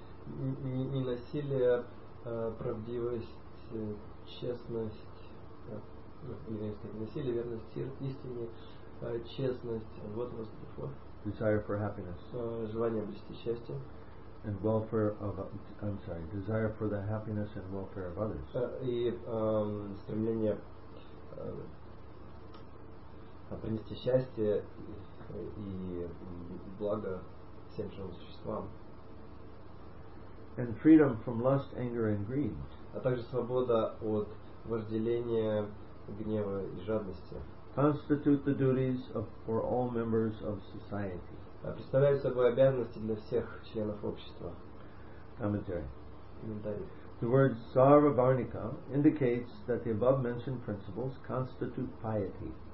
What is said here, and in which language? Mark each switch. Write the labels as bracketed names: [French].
[Russian] Не насилие, а правдивость, честность, насилие, верность, истине, честность, [English] and what was before? Desire for happiness. [Russian] Желание обрести счастье. [English] And welfare of, I'm sorry, desire for the happiness and welfare of others. [Russian] И стремление принести счастье и благо всем живым существам. [English] And freedom from lust, anger, and greed. [Russian] А также свобода от вожделения, гнева и жадности. [English] Constitute the duties of for all members of society. [Russian] Представляет собой обязанности для всех членов общества. [English] Commentary. [Russian] Комментарий. [English] The word sarvabharnika indicates that the above mentioned principles constitute piety.